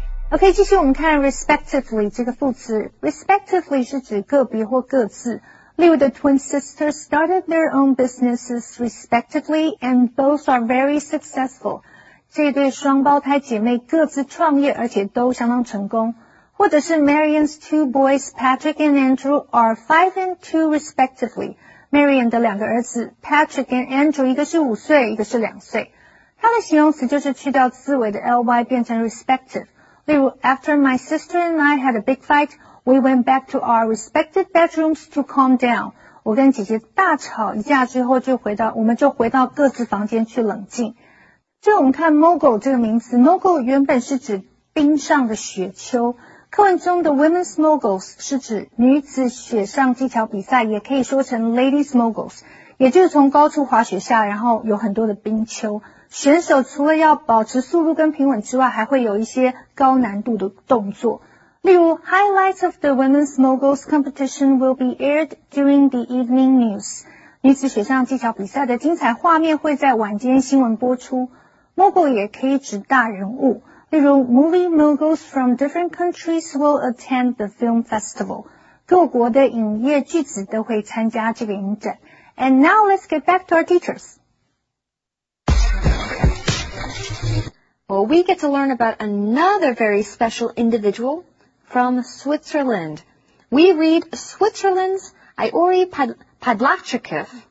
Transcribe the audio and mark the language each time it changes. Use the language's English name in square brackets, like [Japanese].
[Chinese] OK, 继续我们看 respectively 这个副词。Respectively 是指个别或各自。 [English] 例如 the twin sisters started their own businesses respectively and both are very successful. [Chinese] 这一对双胞胎姐妹各自创业而且都相当成功。或者是 [English] Marion's two boys, Patrick and Andrew, are 5 and 2 respectively. [Chinese] Marion 的两个儿子 Patrick and Andrew 一个是五岁一个是两岁。它的形容词就是去掉字尾的 ly 变成 respective。 [English] 例如 after my sister and I had a big fight, we went back to our respective bedrooms to calm down. [Chinese] 我跟姐姐大吵一架之后我们就回到各自房间去冷静。这我们看 mogul 这个名词 ,mogul 原本是指冰上的雪丘。课文中的 women's moguls 是指女子雪上技巧比赛，也可以说成 ladies moguls， 也就是从高处滑雪下，然后有很多的冰丘。选手除了要保持速度跟平稳之外，还会有一些高难度的动作。 [English] 例如 ,highlights of the women's moguls competition will be aired during the evening news. [Chinese] 女子雪上技巧比赛的精彩画面会在晚间新闻播出。 [English] Mogul [Chinese] 也可以指大人物。 [English] 例如 ,movie moguls from different countries will attend the film festival. [Chinese] 各国的影业巨子都会参加这个影展。 [English] And now let's get back to our teachers. Well, we get to learn about another very special individual. From Switzerland. We read Switzerland's Iori Padlachikov.